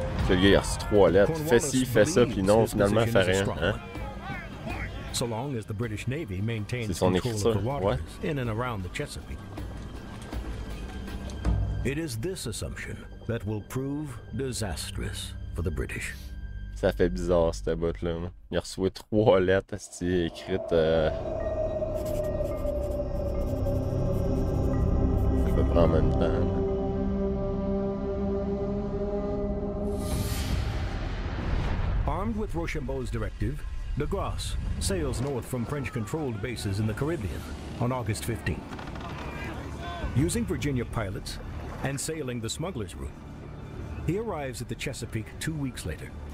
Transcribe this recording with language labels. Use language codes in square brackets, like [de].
[fr] Le gars, il a reçu trois lettres. Fais ci, fais ça, puis non, finalement, fais rien. Hein? [en] So long as the British Navy maintains [fr] c'est son écriture, ouais. [en] In and around the Chesapeake. It is this assumption that will prove disastrous for the British. [fr] Ça fait bizarre, cette botte-là. Il a reçu trois lettres, c'est écrite. Je peux prendre en même temps. [en] Armed with Rochambeau's directive, de Grasse sails north from French-controlled bases in the Caribbean on August 15th. Using Virginia pilots, and sailing the smuggler's route, he arrives at the Chesapeake 2 weeks later.